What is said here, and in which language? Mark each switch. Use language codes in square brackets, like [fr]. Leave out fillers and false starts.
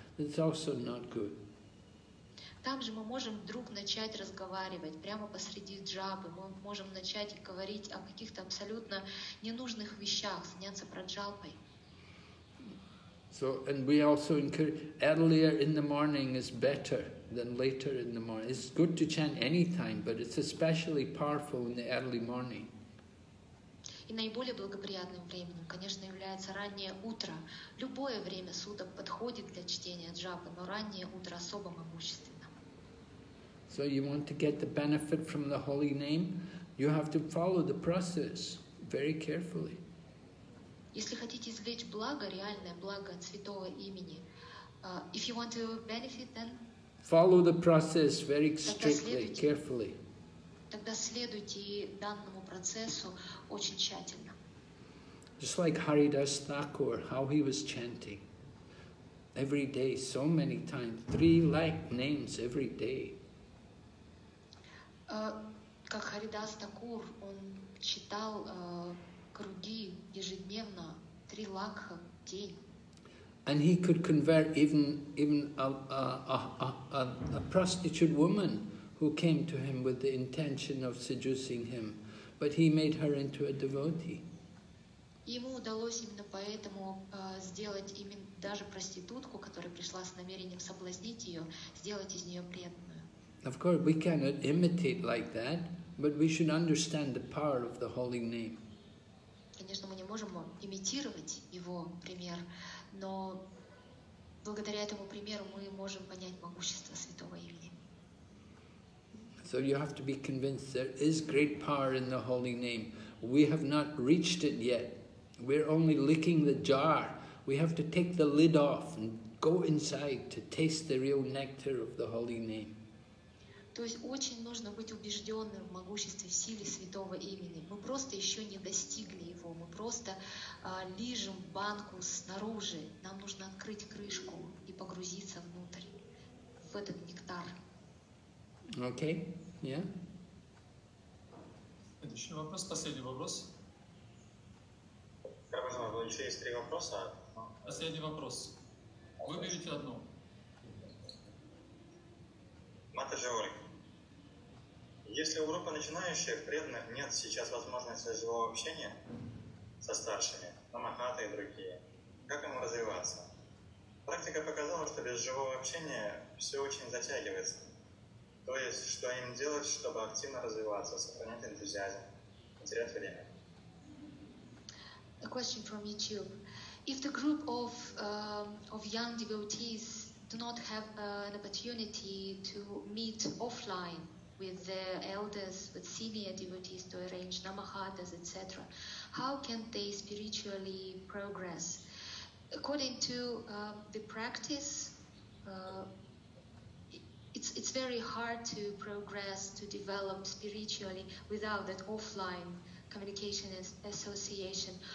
[en] That's also not good. [ru] Там же мы можем вдруг начать разговаривать прямо посреди джапы. Мы можем начать говорить о каких-то абсолютно ненужных вещах, заняться праджалпой. [en] So, and we also encourage earlier in the morning is better than later in the morning. It's good to chant any time, but it's especially powerful in the early morning. [ru] И наиболее благоприятным временем, конечно, является раннее утро. Любое время суток подходит для чтения джапы, но раннее утро особо могущественно. [en] So you want to get the benefit from the holy name, you have to follow the process very carefully. [ru] Если хотите извлечь благо, реальное благо от святого имени, [en] if you want to benefit, then follow the process very strictly, carefully. [ru] Тогда следуйте данному процессу очень тщательно. [en] Just like Haridas Thakur, how he was chanting every day, so many times, 3 lakh names every day. [ru] Как Харидас Такур, он читал круги ежедневно, 3 лакха в день. [en] And he could convert even a prostitute woman who came to him with the intention of seducing him, but he made her into a devotee. [ru] Ему удалось именно поэтому сделать именно даже проститутку, которая пришла с намерением соблазнить ее, сделать из нее преданную. [en] Of course, we cannot imitate like that, but we should understand the power of the holy name. [ru] Конечно, мы не можем имитировать его пример, но благодаря этому примеру мы можем понять могущество святого имени. [en] So you have to be convinced there is great power in the holy name. We have not reached it yet. We're only licking the jar. We have to take the lid off and go inside to taste the real nectar of the holy name. [ru] То есть очень нужно быть убежденным в могуществе и силе святого имени. Мы просто еще не достигли его. Мы просто лижем банку снаружи. Нам нужно открыть крышку и погрузиться внутрь, в этот нектар. Окей. Следующий вопрос, последний вопрос. Еще есть три вопроса. Последний вопрос. Выберите одну. Матаджи Ольга. Если у группы начинающих преданных нет сейчас возможности живого общения со старшими, намахаты и другие, как ему развиваться? Практика показала, что без живого общения все очень затягивается. То есть, что им делать, чтобы активно развиваться, сохранять энтузиазм, не терять время? [en] A question from YouTube. If the group of young devotees do not have an opportunity to meet offline, with the elders, with senior devotees to arrange namahadas, etc. How can they spiritually progress? According to the practice, it's very hard to progress, to develop spiritually without that offline communication and association.